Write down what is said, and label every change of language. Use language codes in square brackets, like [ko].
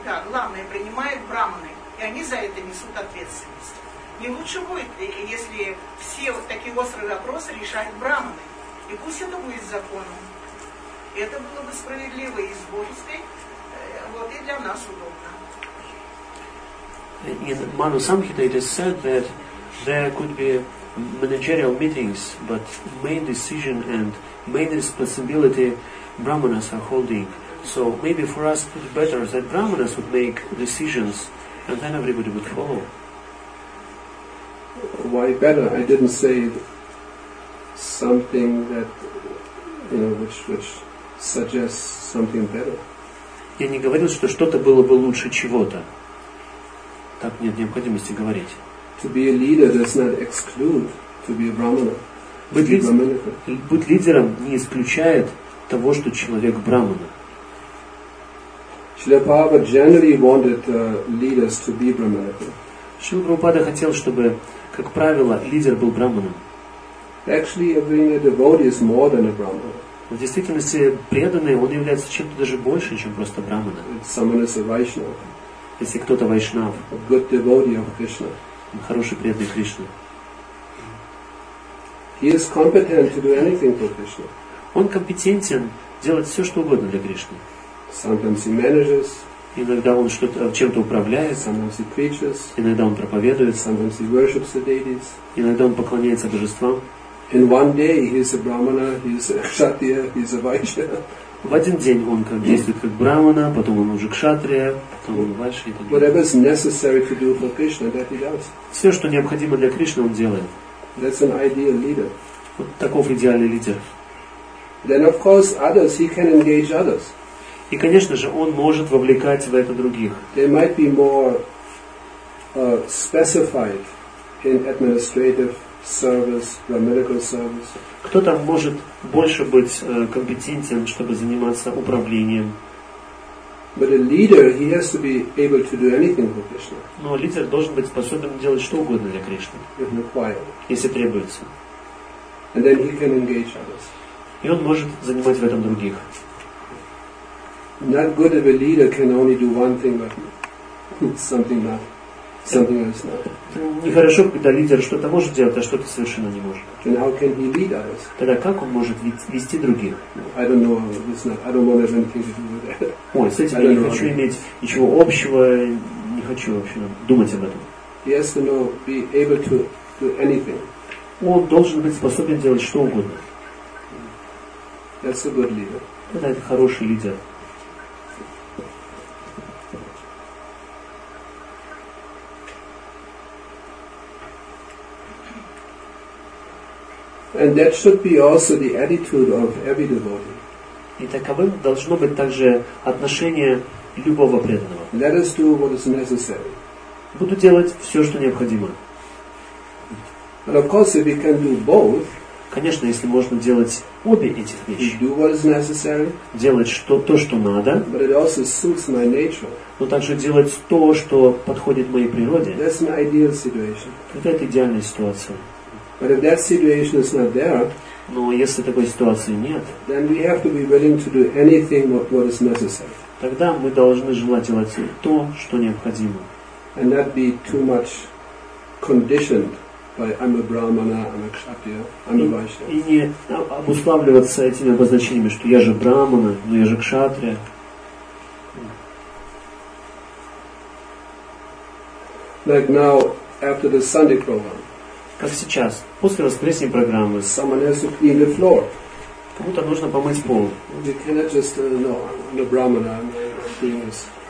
[ru] Главное принимают браманы, и они за это несут ответственность. Не лучше будет, если все вот такие острые вопросы решают браманы. И пусть это будет законом. Это было бы справедливо и с Божьей, вот и для нас удобно. [en] In Manu Samhita it is said that there could be managerial meetings, but main decision and main responsibility brahmanas are holding. So maybe for us it would be better that brahmanas would make decisions and then everybody would follow. Why better? I didn't say something that, you know, which suggests something better. [ru] Я не говорил, что что-то было бы лучше чего-то. Так нет необходимости говорить. [en] To be a leader does not exclude to be a brahmana. [ru] Быть лидером не исключает того, что человек брахмана. [en] Шрила Прабхупада generally wanted leaders to be brahmanical. [ru] Шрила Прабхупада хотел, чтобы, как правило, лидер был брахманом. [en] Actually, being a devotee is more than a brahmana. [ru] В действительности преданный он является чем-то даже больше, чем просто брахмана. [en] Someone is a Vaishnava. [ru] Если кто-то вайшнав. [en] A good devotee of Krishna. [ru] Хороший преданный Кришны. [en] He is competent to do anything for Krishna. [ru] Он компетентен делать все, что угодно для Кришны. [en] Sometimes he manages. [ru] Иногда он что-то, чем-то управляет. [en] Sometimes he preaches. [ru] Иногда он проповедует. [en] Sometimes he worships the deities. [ru] Иногда он поклоняется божествам. [en] In one day he is a brahmana, he is a kshatriya, he is a vaishya. [ru] В один день он как действует как брахмана, потом он уже кшатрия, потом он вайшья и так далее. [en] Whatever is necessary to do for Krishna, that he does. [ru] Все, что необходимо для Кришны, он делает. [en] That's an ideal leader. [ru] Вот таков идеальный лидер. [en] Then of course others, he can engage others. [ru] И, конечно же, он может вовлекать в это других. [en] They might be more specified in administrative service, brahminical service. [ru] Кто-то может больше быть компетентен, чтобы заниматься управлением. [en] But a leader, he has to be able to do anything for Krishna. [ru] Но лидер должен быть способен делать что угодно для Кришны. [en] If required. [ru] Если требуется. [en] And then he can engage others. [ru] И он может занимать в этом других. [en] Not good if a leader can only do one thing, but something not, something else not. [ru] Нехорошо, когда лидер что-то может делать, а что-то совершенно не может. [en] Then how can he lead others? [ru] Тогда как он может вести других? [en] I don't know. It's not. I don't want to have anything to do with that. [ru] Ой, с этим я не хочу иметь ничего общего. Не хочу вообще думать об этом. [en] He has to know, be able to do anything. [ru] Он должен быть способен делать что угодно. [en] That's a good leader. [ru] Тогда это хороший лидер. [en] And that should be also the attitude of every devotee. [ru] И таковым должно быть также отношение любого преданного. [en] Let us do what is necessary. [ru] Буду делать все, что необходимо. [en] But of course, if we can do both. [ru] Конечно, если можно делать обе эти вещи. [en] Do what is necessary. [ru] Делать то, что надо. [en] But it also suits my nature. [ru] Но также делать то, что подходит моей природе. [en] That's an ideal situation. [ru] Вот это идеальная ситуация. [en] But if that situation is not there, [ru] но если такой ситуации нет, [en] then we have to be willing to do anything what is necessary. [ru] Тогда мы должны желать делать то, что необходимо. [en] And not be too much conditioned by I'm a brahmana, I'm a kshatriya, I'm a vaishya. [ru] И не обуславливаться этими обозначениями, что я же брахмана, но я же кшатрия. [en] Like now, after the Sunday program. [ru] Как сейчас, после воскресной программы. [en] Someone has to clean the floor. [ru] Кому-то нужно помыть пол. [en] You cannot just, no, I'm a brahmana, I'm doing this.